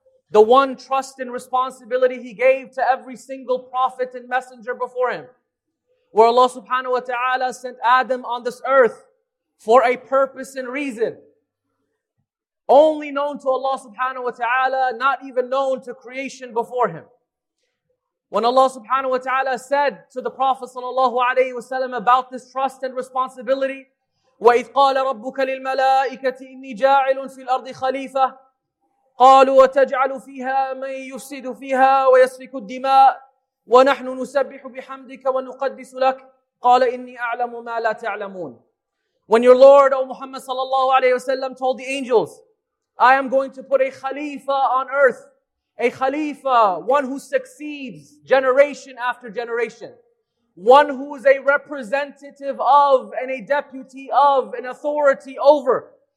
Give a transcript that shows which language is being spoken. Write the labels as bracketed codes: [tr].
[en] The one trust and responsibility He gave to every single prophet and messenger before Him. Where Allah subhanahu wa ta'ala sent Adam on this earth for a purpose and reason. Only known to Allah subhanahu wa ta'ala, not even known to creation before Him. When Allah subhanahu wa ta'ala said to the Prophet sallallahu alayhi wa sallam about this trust and responsibility, [ar] وَإِذْ قَالَ رَبُّكَ لِلْمَلَائِكَةِ إِنِّي جَاعِلٌ فِي الْأَرْضِ خَلِيفَةٌ قَالُوا وَتَجْعَلُ فِيهَا مَنْ يُفْسِدُ فِيهَا وَيَسْفِكُ الدِّمَاءِ وَنَحْنُ نُسَبِّحُ بِحَمْدِكَ وَنُقَدِّسُ لَكَ قَالَ إِنِّي أَعْلَمُ مَا لَا تَعْلَمُونَ. [en] When your Lord, O Muhammad sallallahu alayhi wa sallam, told the angels, I am going to put a khalifa on earth. A khalifa, one who succeeds generation after generation. One who is a representative of and a deputy of an authority over.